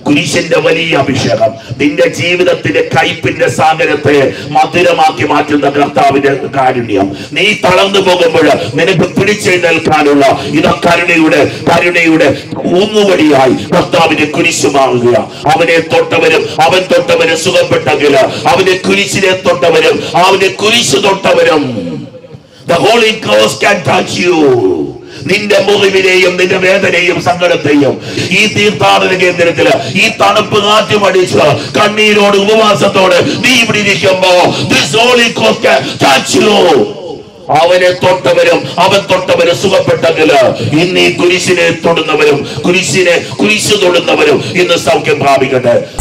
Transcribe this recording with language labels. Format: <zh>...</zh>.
<ml>കുരിശിന്റെ വലിയ അഭിഷേകം നിന്റെ ജീവിതത്തിന്റെ കയ്പിന്റെ സാഗരത്തെ മധുരമാക്കി മാറ്റുന്ന കർത്താവിന്റെ കാരുണ്യം. നീ തളർന്നു പോകുമ്പോൾ നിനക്ക് പിടിച്ചെഴുന്നേൽക്കാനുള്ള ഇതാ കരുണയുടെ ഊന്നുവടിയായി കർത്താവിന്റെ കുരിശുമാറുക. അവനെ തൊട്ടവരും അവൻ തൊട്ടവരും സുഖപ്പെട്ടെങ്കിൽ, അവന്റെ കുരിശിനെ തൊട്ടവരും അവന്റെ കുരിശ് തൊട്ടവരും.</ml> <en>The Holy Cross can touch you.</en> <ml>നിന്റെ മുറിവിനെയും നിന്റെ വേദനയും സങ്കടത്തെയും ഈ തീർത്ഥാടന കേന്ദ്രത്തില് ഈ തണുപ്പ് കാറ്റും അടിച്ച് കണ്ണീരോട് ഉപവാസത്തോട് നീ ഇവിടെ ഇരിക്കുമ്പോ</ml> <en>This Holy Cross can touch you.</en> <ml>അവനെ തൊട്ടവരും അവൻ തൊട്ടവരും സുഖപ്പെട്ടെങ്കില്, ഇന്ന് ഈ കുരിശിനെ തൊടുന്നവരും കുരിശിനെ കുരിശ് തൊടുന്നവരും ഇന്ന് സൗഖ്യം പ്രാപിക്കട്ടെ.</ml>